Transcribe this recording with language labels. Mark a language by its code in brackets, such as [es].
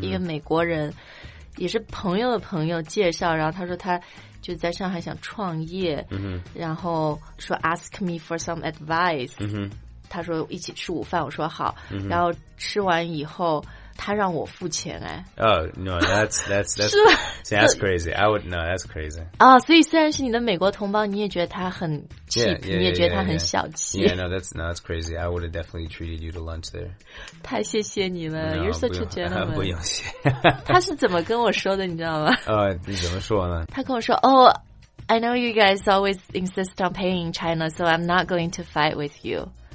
[zh] 一个美国人也是朋友的朋友介绍，然后他说他就在上海想创业、然后说 [en] ask me for some advice、 [zh] 他说一起吃午饭我说好、然后吃完以后他让我付钱哎。 [en] Oh, no, that's, [zh] 是吧 [en] See, that's crazy. I would, no, that's crazy. [zh] 啊、oh, 所以虽然是你的美国同胞你也觉得他很 cheap, [en] yeah, yeah, yeah, [zh] 你也觉得他很小气。 [en] Yeah, yeah, yeah. No, that's crazy. I would have definitely treated you to lunch there. [zh] 太谢谢你了 [en] You're such a gentleman. [zh] 不用谢。他是怎么跟我说的你知道吗你怎么说呢他跟我说 [en] Oh, I know you guys always insist on paying in China, so I'm not going to fight with you.